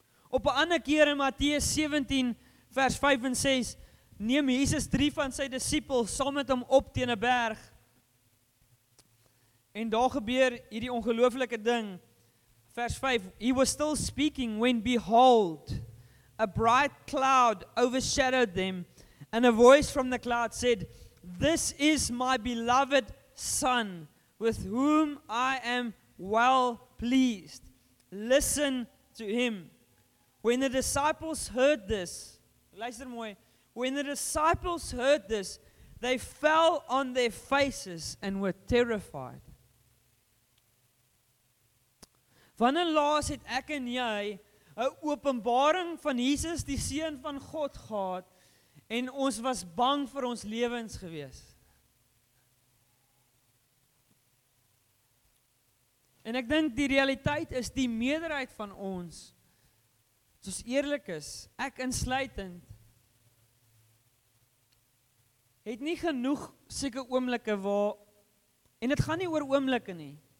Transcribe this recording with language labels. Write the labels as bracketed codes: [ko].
[af] Op 'n ander keer in Matteus 17 vers 5 en 6 neem Jesus drie van sy disippels saam met hom op teen 'n berg. En daar gebeur hierdie ongelooflike ding. [en] Vers 5, he was still speaking when behold, a bright cloud overshadowed them and a voice from the cloud said, this is my beloved son with whom I am well pleased. Listen to him. When the disciples heard this, [af] luister mooi, [en] when the disciples heard this, they fell on their faces and were terrified. [af] Wanneer laas het ek en jy 'n openbaring van Jesus die seun van God gehad en ons was bang vir ons lewens gewees. En ek dink die realiteit is die meerderheid van ons as ons eerlik is, ek insluitend het nie genoeg seker oomblikke waar en dit gaan nie oor oomblikke nie.